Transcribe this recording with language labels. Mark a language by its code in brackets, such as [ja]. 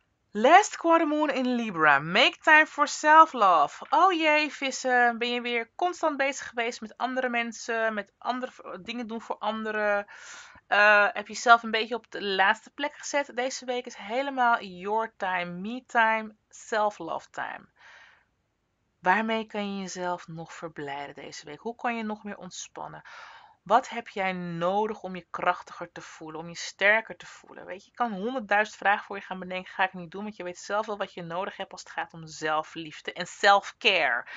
[en] Last quarter moon in Libra. Make time for self-love. [nl] Oh jee, vissen. Ben je weer constant bezig geweest met andere mensen? Met andere dingen doen voor anderen? Heb je jezelf een beetje op de laatste plek gezet? Deze week is helemaal [en] your time, me time, self-love time. [nl] Waarmee kan je jezelf nog verblijden deze week? Hoe kan je nog meer ontspannen? Wat heb jij nodig om je krachtiger te voelen, om je sterker te voelen? Weet je, ik kan 100.000 vragen voor je gaan bedenken, ga ik niet doen, want je weet zelf wel wat je nodig hebt als het gaat om zelfliefde en self-care.